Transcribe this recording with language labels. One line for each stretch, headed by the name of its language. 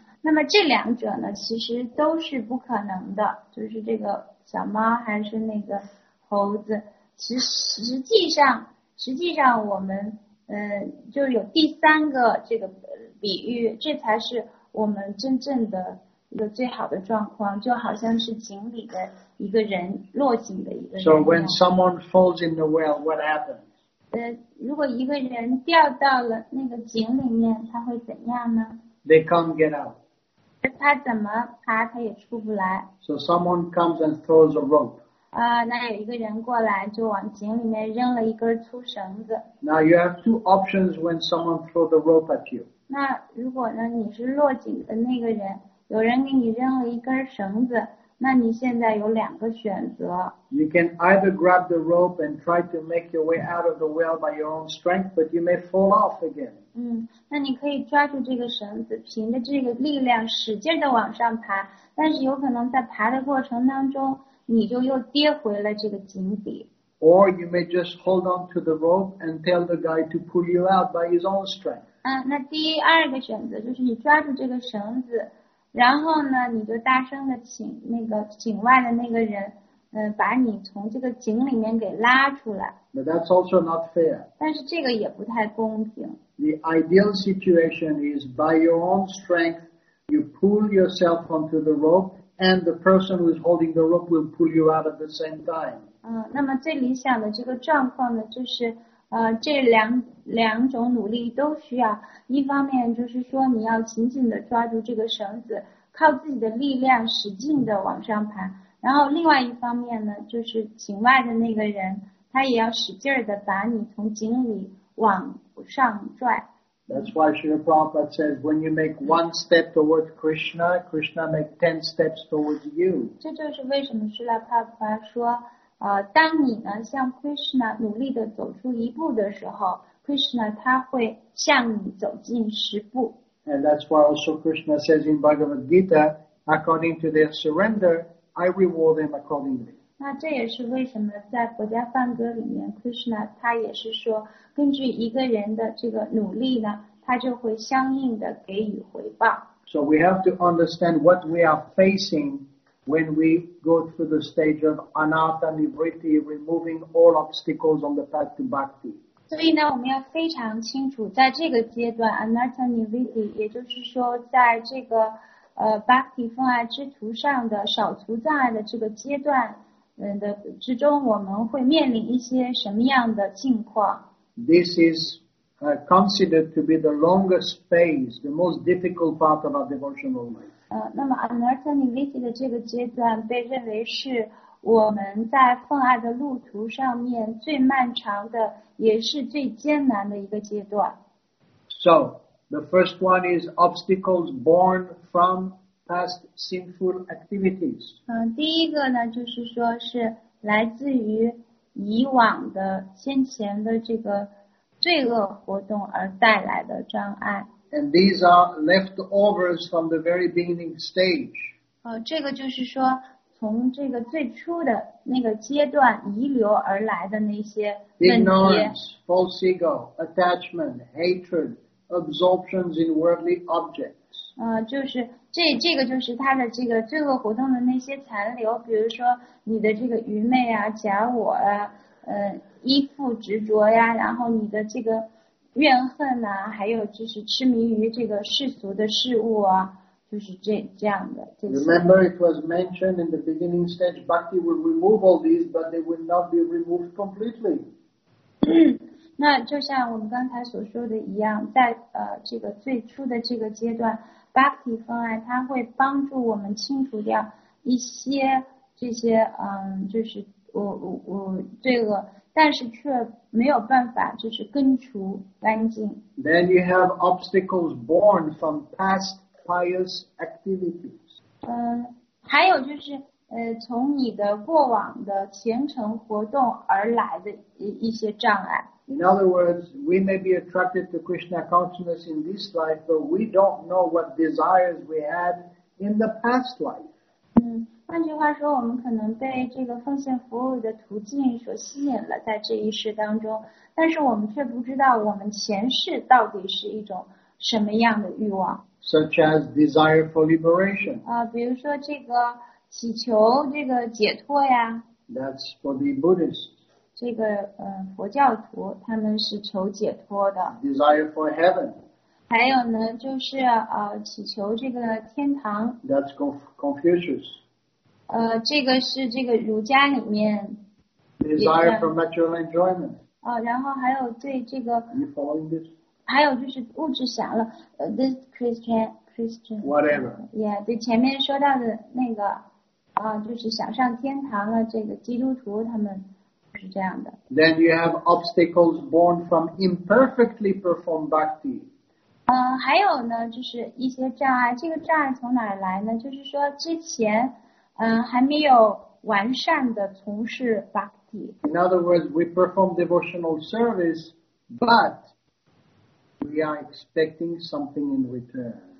Chinese: 那么这两者呢，其实都是不可能的，就是这个小猫还是那个猴子。实际上我们就有第三个这个比喻，这才是我们真正的一个最好的状况，就好像是井里的一个人落井的一个人。
English: So when someone falls in the well, what happens?
Chinese: 如果一个人掉到了那个井里面，他会怎样呢？
English: They can't get out.
Chinese: 他怎么爬他也出不来。
English: So someone comes and throws a rope.
Chinese: 那有一个人过来就往井里面扔了一根粗绳子。
English: Now you have two options when someone throws a rope at you.
Chinese: 那如果呢，你是落井的那个人，有人给你扔了一根绳子，那你现在有两个选择。
English: You can either grab the rope and try to make your way out of the well by your own strength, but you may fall off again.
Chinese: 那你可以抓住这个绳子，凭着这个力量使劲地往上爬，但是有可能在爬的过程当中，你就又跌回了这个井底。
English: Or you may just hold on to the rope and tell the guy to pull you out by his own strength.
Chinese: 那第二个选择就是你抓住这个绳子，然后呢，你就大声的请那个井外的那个人，把你从这个井里面给拉出来。
English: But that's also not fair.
Chinese: 但是这个也不太公平。
English: The ideal situation is by your own strength, you pull yourself onto the rope, and the person who is holding the rope will pull you out at the same time.
Chinese: 那么最理想的这个状况呢，就是这两种努力都需要，一方面就是说你要紧紧地抓住这个绳子，靠自己的力量使劲地往上爬，然后另外一方面呢，就是井外的那个人，他也要使劲地把你从井里往上拽。
English: That's why Srila Prabhupada says, when you make one step towards Krishna, Krishna make 10 steps towards you.
Chinese: 这就是为什么Srila Prabhupada说，当你呢向 Krishna 努力地走出一步的时候，Krishna 他会向你走近十步。
English: And that's why also Krishna says in Bhagavad Gita, according to their surrender, I reward them accordingly.
Chinese: 那这也是为什么在国家梵歌里面 ，Krishna 他也是说，根据一个人的这个努力呢，他就会相应的给予回报。
English: So we have to understand what we are facing when we go through the stage of anatta nivritti, removing all obstacles on the path to bhakti.
Chinese: 所以呢，我们要非常清楚，在这个阶段 ，anatta nivritti， 也就是说，在这个bhakti 奉爱之途上的扫除障碍的这个阶段，的之中，我们会面临一些什么样的境况
English: ？This is considered to be the longest phase, the most difficult part of our devotional life.
Chinese: 那么 anatta nivritti 的这个阶段被认为是我们在奉爱的路途上面最漫长的，也是最艰难的一个阶段。
English: So, the first one is obstacles born from past sinful activities.
Chinese: 第一个呢，就是说是来自于以往的先前的这个罪恶活动而带来的障碍。
English: And these are leftovers from the very beginning stage.
Chinese: 这个就是说从这个最初的那个阶段遗留而来的那些问题
English: ignorance, false ego, attachment, hatred, absorptions in worldly objects.
Chinese: 就是这个就是他的这个罪恶活动的那些残留，比如说你的这个愚昧啊、假我啊、依附执着呀，然后你的这个怨恨呐、还有就是痴迷于这个世俗的事物啊。就是这样的。
English: Remember, it was mentioned in the beginning stage, bhakti will remove all these, but they will not be removed completely.
Chinese: 那就像我们刚才所说的一样，在这个最初的这个阶段 ，bhakti 方案它会帮助我们清除掉一些这些就是我罪恶，但是却没有办法就是根除干净。
English: Then you have obstacles born from past. Pious activities.
Chinese: 还有就是从你的过往的虔诚活动而来的一些障碍。
English: In other words, we may be attracted to Krishna consciousness in this life, but we don't know what desires we had in the past life.
Chinese: 换句话说，我们可能被这个奉献服务的途径所吸引了，在这一世当中，但是我们却不知道我们前世到底是一种什么样的欲望。
English: Such as desire for liberation.
Chinese: 比如说这个祈求这个解脱呀。
English: That's for the Buddhists.
Chinese: 这个佛教徒他们是求解脱的。
English: Desire for heaven.
Chinese: 还有呢，就是祈求这个天堂。
English: That's Confucius.
Chinese: 这个是这个儒家里面。
English: Desire for material enjoyment.
Chinese: 然后还有对这个。
English: You following this?
Chinese: 还有就是物质享乐。
English: This Christian. Whatever.
Chinese: Yeah, 对前面说到的那个，就是想上天堂了。这个基督徒他们是这样的。
English: Then you have obstacles born from imperfectly performed bhakti.
Chinese: 还有呢，就是一些障碍。这个障碍从哪儿来呢？就是说之前，还没有完善的从事 bhakti。
English: In other words, we perform devotional service, but we are expecting something in return.